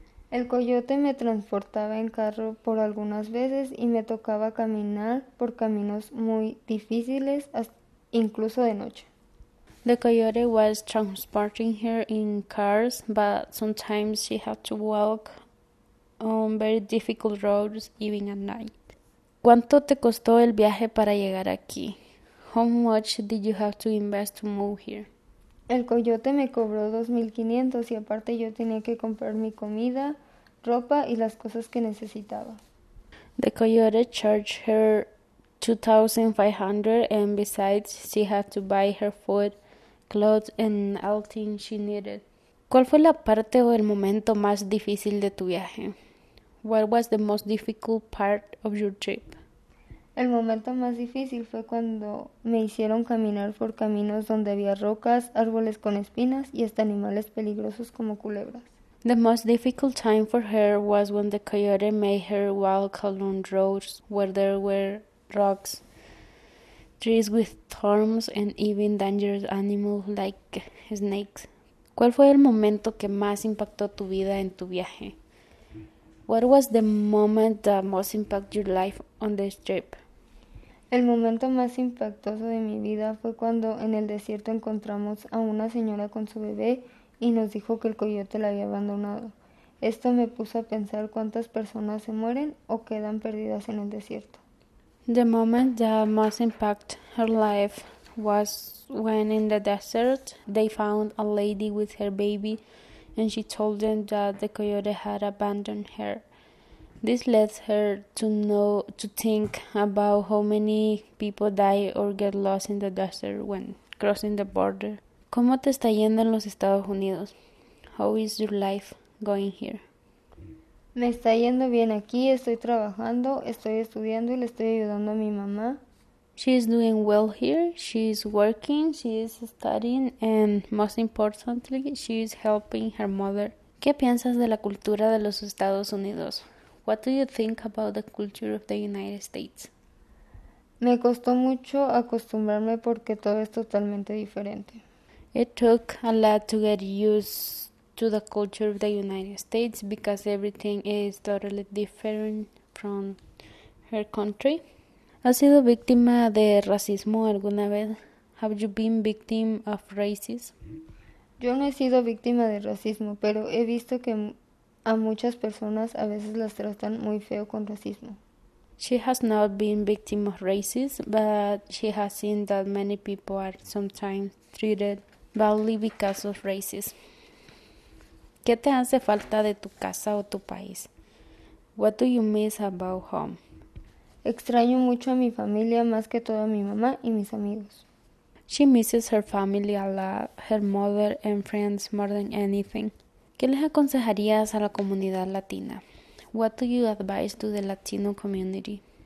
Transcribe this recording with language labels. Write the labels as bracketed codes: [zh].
[es] El coyote me transportaba en carro por algunas veces y me tocaba caminar por caminos muy difíciles, incluso de noche. [en] The coyote was transporting her in cars, but sometimes she had to walk on very difficult roads, even at night. [es] ¿Cuánto te costó el viaje para llegar aquí? [en] How much did you have to invest to move here? [es] El coyote me cobró 2,500 y aparte yo tenía que comprar mi comida, ropa y las cosas que necesitaba. [en] The coyote charged her 2,500 and besides she had to buy her food, clothes and everything she needed. [es] ¿Cuál fue la parte o el momento más difícil de tu viaje? [en] What was the most difficult part of your trip? [es] El momento más difícil fue cuando me hicieron caminar por caminos donde había rocas, árboles con espinas y hasta animales peligrosos como culebras. [en] The most difficult time for her was when the coyote made her walk along roads where there were rocks, trees with thorns and even dangerous animals like snakes. [es] ¿Cuál fue el momento que más impactó tu vida en tu viaje? [en] What was the moment that most impacted your life on this trip? [es] El momento más impactoso de mi vida fue cuando en el desierto encontramos a una señora con su bebé y nos dijo que el coyote la había abandonado. Esto me puso a pensar cuántas personas se mueren o quedan perdidas en el desierto. [en] The moment that most impacted her life was when in the desert they found a lady with her baby and she told them that the coyote had abandoned her. This led her to think about how many people die or get lost in the desert when crossing the border. [es] ¿Cómo te está yendo en los Estados Unidos? [en] How is your life going here? [es] Me está yendo bien aquí, estoy trabajando, estoy estudiando y le estoy ayudando a mi mamá. [en] She is doing well here, she is working, she is studying, and most importantly, she is helping her mother. [es] ¿Qué piensas de la cultura de los Estados Unidos? [en] What do you think about the culture of the United States? [es] Me costó mucho acostumbrarme porque todo es totalmente diferente. [en] It took a lot to get used to the culture of the United States because everything is totally different from her country. [es] ¿Has sido víctima de racismo alguna vez? [en] Have you been victim of racism? [es] Yo no he sido víctima de racismo, pero he visto que A muchas personas a veces las tratan muy feo con racismo. [en] She has not been victim of racism, but she has seen that many people are sometimes treated badly because of racism. [es] ¿Qué te hace falta de tu casa o tu país? [en] What do you miss about home? [es] Extraño mucho a mi familia, más que todo a mi mamá y mis amigos. [en] She misses her family a lot, her mother and friends more than anything. [es] ¿Qué les aconsejarías a la comunidad latina? [en] What do you advise to the Latino community?